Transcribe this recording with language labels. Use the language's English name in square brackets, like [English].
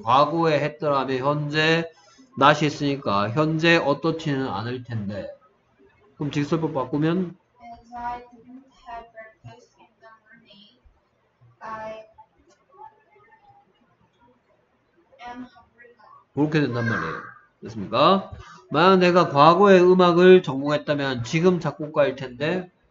[Korean] 과거에 했더라면 현재 not 있으니까 현재 어떻지는 않을 텐데. 그럼 직설법 바꾸면 [English] And I didn't have breakfast in the morning. I am hungry. [Korean] 그렇게 된단 말이에요. 됐습니까? 만약 내가 과거의 음악을 전공했다면 지금 작곡가일 텐데